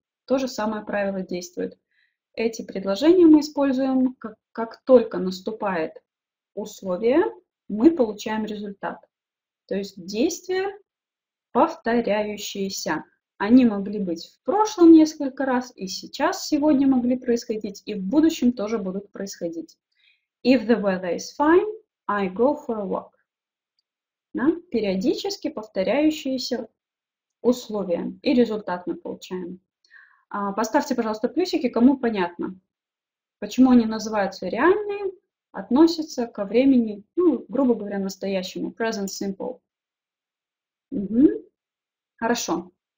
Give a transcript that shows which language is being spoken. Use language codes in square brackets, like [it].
[ru] То же самое правило действует. Эти предложения мы используем, как только наступает условие, мы получаем результат. То есть действия, повторяющиеся. Они могли быть в прошлом несколько раз, и сейчас, сегодня могли происходить, и в будущем тоже будут происходить. [en] If the weather is fine, I go for a walk. [ru] Да? Периодически повторяющиеся условия. И результат мы получаем. Поставьте, пожалуйста, плюсики, кому понятно, почему они называются реальные, относятся ко времени, ну, грубо говоря, настоящему, present simple. Угу. Хорошо.